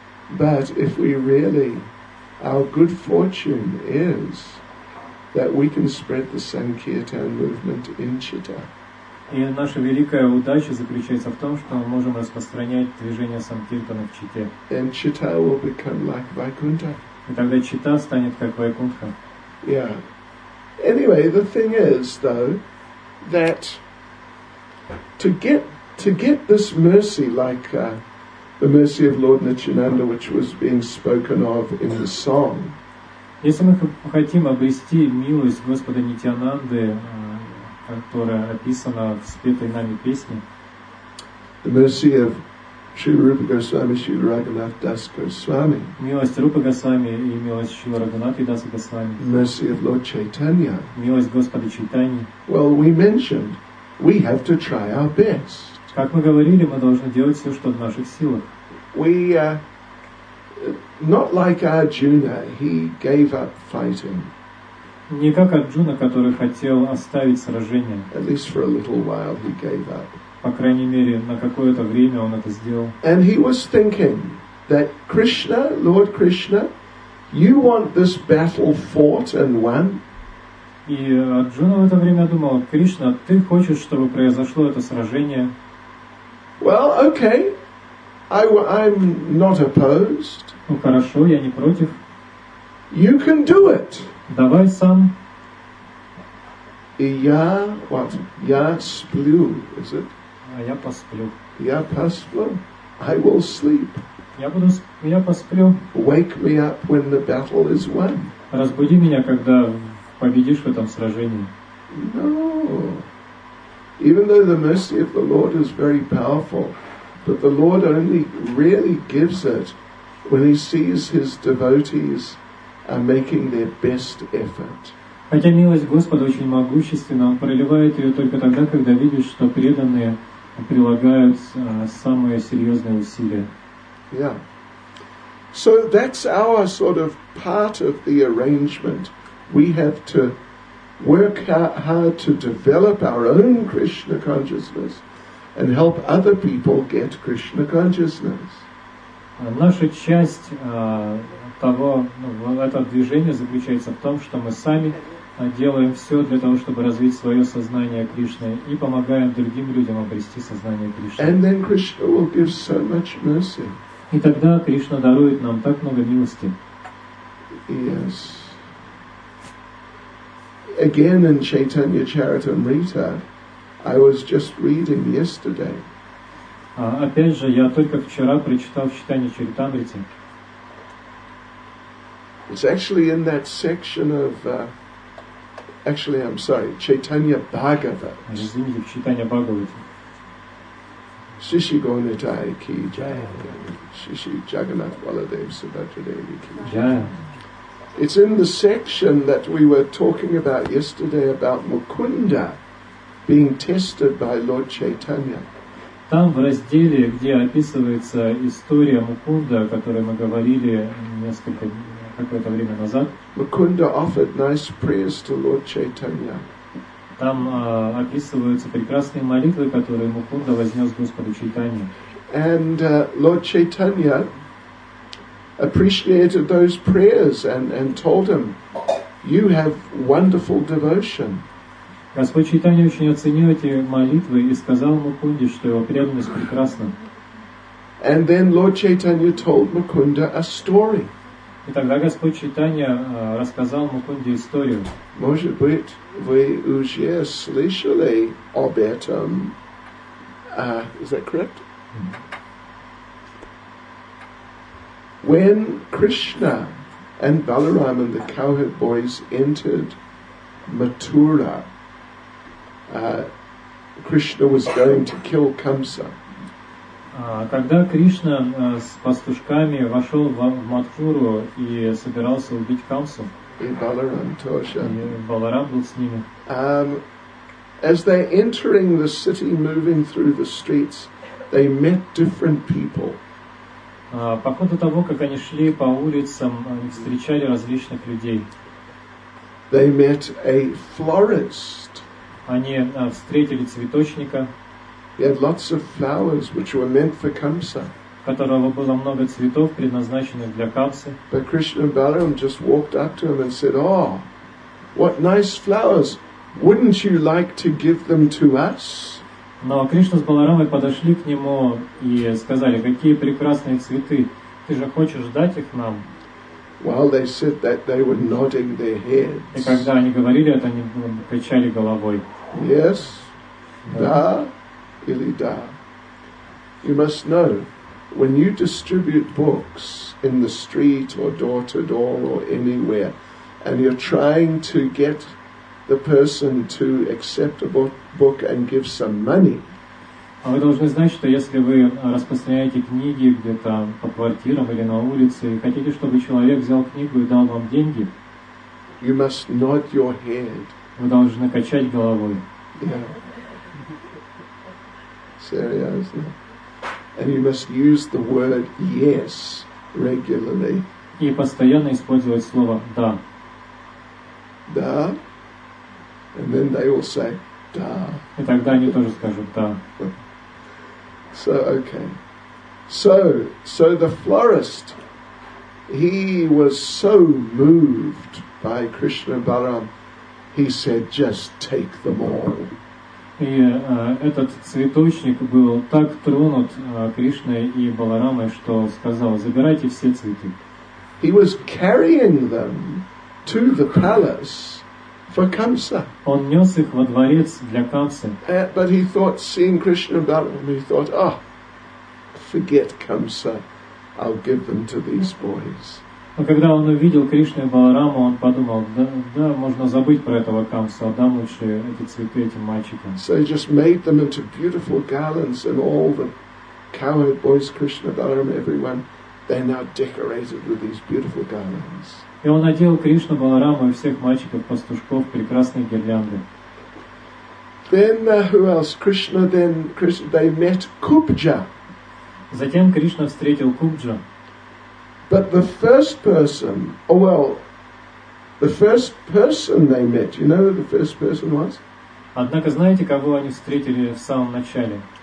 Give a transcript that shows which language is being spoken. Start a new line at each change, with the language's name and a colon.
English: But if we really, our good fortune is that we can spread the Sankirtan movement in Chita.
Russian: И наша великая удача заключается в том, что мы можем распространять движение Санкиртана в Чите.
English: And Chita will become like Vaikuntha.
Russian: И тогда Чита станет как Вайкунтха.
English: Yeah. Anyway, the thing is, though, that to get this mercy, like the mercy of Lord Nityananda, which was being spoken of in the song.
Russian: Если мы хотим обрести милость Господа Нитьянанды, которая описана в спетой нами песне,
English: the mercy of Sri Rupa Goswami, Sri Raghunath Das Goswami.
Russian: Милость Рупа Госвами и милость Шри Рагунаты Дас Госвами.
English: Mercy of Lord Chaitanya.
Russian: Милость Господа Чайтаньи.
English: Well, we mentioned we have to try our best.
Russian: Как мы говорили, мы должны делать все, что в наших силах.
English: We not like Arjuna, he gave up fighting.
Russian: Не как Арджуна, который хотел оставить сражение.
English: At least for a little while he gave up.
Russian: По крайней мере, на какое-то время он это сделал.
English: And he was thinking that Krishna, Lord Krishna, you want this battle fought and won.
Russian: И Арджуна в это время думал: Кришна, ты хочешь, чтобы произошло это сражение?
English: Well, okay. I'm not opposed.
Russian: Ну хорошо, я не против.
English: You can do it.
Russian: Давай сам. И я,
English: what?
Russian: Я сплю,
English: is it?
Russian: А я посплю. Я посплю.
English: I will sleep.
Russian: Я посплю.
English: Wake me up when the battle is won.
Russian: Разбуди меня, когда победишь в этом сражении.
English: No. Even though the mercy of the Lord is very powerful, but the Lord only really gives it when he sees his devotees are making their best effort.
Russian: Хотя милость Господа очень могущественна, он проливает ее только тогда, когда видит, что преданные прилагают самые серьезные усилия.
English: Yeah. So that's our sort of part of the arrangement. We have to work hard to develop our own Krishna consciousness and help other people get Krishna consciousness.
Russian: Наша часть того, это движение заключается в том, что мы сами делаем все для того, чтобы развить свое сознание Кришны и помогаем другим людям обрести сознание Кришны.
English: And then Krishna will give so much mercy.
Russian: И тогда Кришна дарует нам так много милости.
English: Yes. Again in Chaitanya Charitamrita, I was just reading yesterday.
Russian: Опять же, я только вчера прочитал в Чайтанья Чаритамрите.
English: It's actually in that section of, Chaitanya Bhagavat.
Russian: Извините, в Чайтанья Бхагавате. Шиши Гонитай Ки Джая. Шиши Джаганат Валадев Субхадрадеви Ки Джая.
English: It's in the section that we were talking about yesterday about Mukunda being tested by Lord Chaitanya.
Russian: Там в разделе, где описывается история Мукунда, о которой мы говорили несколько какое-то время назад.
English: Mukunda offered nice prayers to Lord Chaitanya.
Russian: Там описываются прекрасные молитвы, которые Мукунда вознес Господу Чайтанье.
English: And Lord Chaitanya appreciated those prayers and told him, "You have wonderful devotion."
Russian: Господь Чайтанья очень оценил эти молитвы и сказал Мукунде, что его преданность прекрасна.
English: And then Lord Chaitanya told Mukunda a story.
Russian: И тогда Господь Чайтанья рассказал Мукунде историю. Может быть, вы уже слышали об этом?
English: Is that correct? When Krishna and Balaram and the cowherd boys entered Mathura, Krishna was going to kill Kamsa.
Russian: Когда Кришна с пастушками вошел в Матхуру и собирался убить Камсу, и Баларам тоже. Баларам был с ними.
English: As they're entering the city, moving through the streets, they met different people.
Russian: По ходу того, как они шли по улицам, они встречали различных людей.
English: They met a florist.
Russian: Они встретили цветочника.
English: He had lots of flowers, which were meant for Kamsa.
Russian: У которого было много цветов, предназначенных для Камсы.
English: But Krishna and Balaram just walked up to him and said, "Oh, what nice flowers! Wouldn't you like to give them to us?"
Russian: Но Кришна с Баларамой подошли к нему и сказали, какие прекрасные цветы, ты же хочешь дать их нам?
English: While they said that, they were nodding their heads.
Russian: И когда они говорили это, они качали головой.
English: Yes,
Russian: да, или да.
English: You must know, when you distribute books in the street or door to door or anywhere, and you're trying to get the person to accept a book and give some money.
Russian: А вы должны знать, что если вы распространяете книги где-то по квартирам или на улице и хотите, чтобы человек взял книгу и дал вам деньги,
English: you must nod your head.
Russian: Вы должны качать головой.
English: Yeah. Seriously. And you must use the word yes regularly.
Russian: И постоянно использовать слово да. Да.
English: And then they will say, "Da."
Russian: И тогда они тоже скажут "Da."
English: So okay. So the florist, he was so moved by Krishna Balaram, he said, "Just take them all."
Russian: И этот цветочник был так тронут Кришной и Баларамой, что сказал, "Забирайте все цветы."
English: He was carrying them to the palace. For Kamsa.
Russian: Он нес их во дворец для Камсы.
English: But he thought, seeing Krishna and Balaram, he thought, "Oh, forget Kamsa, I'll give them to these boys."
Russian: Но когда он увидел Кришну и Балараму, он подумал, да, можно забыть про этого Камсу, отдам лучше эти цветы этим мальчикам.
English: So he just made them into beautiful garlands, and all the cowherd boys, Krishna, Balaram, everyone, they're now decorated with these beautiful garlands.
Russian: И он надел Кришну, Балараму и всех мальчиков-пастушков прекрасные гирлянды.
English: Then who else? Krishna, they met Kubja.
Russian: Затем Кришна встретил Кубджа.
English: But the first person, oh well, the first person they met, you know who the first person was?
Russian: Однако знаете, кого они встретили в самом начале?